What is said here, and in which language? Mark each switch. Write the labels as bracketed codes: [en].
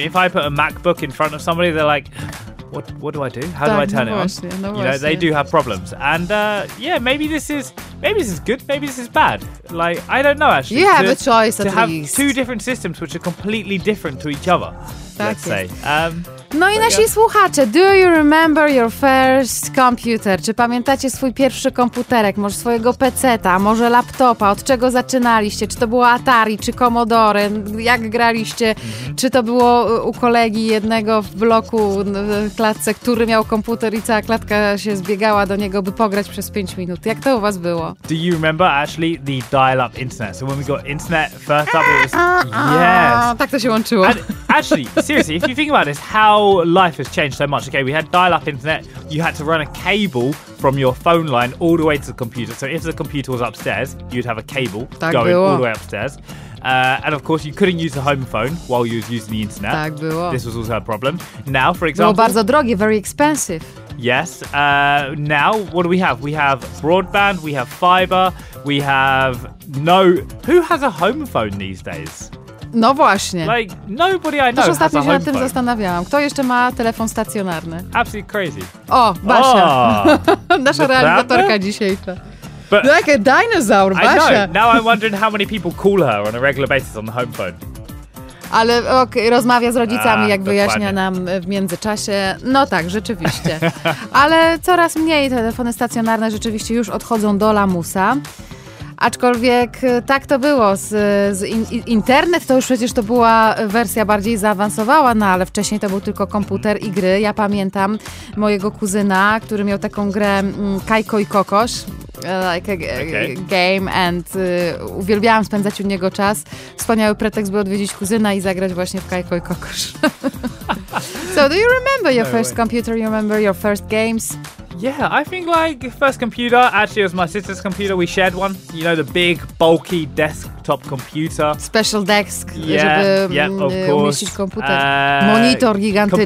[en] If I put a MacBook in front of somebody, they're like... What do I do? How do I turn it on? You know, they do have problems. And maybe this is good, maybe this is bad. Like, I don't know, actually. You have a choice, at least. To have two different systems which are completely different to each other, let's say. [pl] No i nasi słuchacze, [en] do you remember your first computer? [pl] Czy pamiętacie swój pierwszy komputerek, może swojego peceta, może laptopa, od czego zaczynaliście? Czy to było Atari, czy Commodore, jak graliście? Czy to było u kolegi jednego w bloku, w klatce, który miał komputer i cała klatka się zbiegała do niego, by pograć przez 5 minut? Jak to u was było? [en] Do you remember actually the dial-up internet? So when we got internet first up, it was... Yes! [pl] Tak to się łączyło. [en] Actually, seriously, if you think about this, how life has changed so much. Okay, we had dial-up internet. You had to run a cable from your phone line all the way to the computer. So if the computer was upstairs, you'd have a cable all the way upstairs. And of course, you couldn't use the home phone while you was using the internet. [pl] Tak było. [en] This was also a problem. Now, for example... [pl] Było bardzo drogie, [en] very expensive. Yes. Now, what do we have? We have broadband, we have fiber, we have... No, who has a home phone these days? [pl] No właśnie. [en] Like, nobody I know. [pl] Też ostatnio się nad tym zastanawiałam. Kto jeszcze ma telefon stacjonarny? [en] Absolutely crazy. [pl] O, Basia. Oh, nasza realizatorka dzisiejsza. [en] But, like a dinosaur, Basia. I know. Now I'm wondering how many people call her on a regular basis on the home phone. [pl] Ale okay, rozmawia z rodzicami, jak wyjaśnia nam w międzyczasie. No tak, rzeczywiście. Ale coraz mniej telefony stacjonarne rzeczywiście już odchodzą do lamusa. Aczkolwiek tak to było. Internet to już przecież to była wersja bardziej zaawansowana, no ale wcześniej to był tylko komputer i gry. Ja pamiętam mojego kuzyna, który miał taką grę Kajko i Kokosz. [en] Like a game and [pl] uwielbiałam spędzać u niego czas. Wspaniały pretekst był odwiedzić kuzyna i zagrać właśnie w Kajko i Kokosz. [en] So do you remember your first computer? You remember your first games? Yeah, I think like first computer actually it was my sister's computer. We shared one, you know, the big bulky desktop computer. Special desk. Yeah, of course. [pl] Monitor gigantyczny.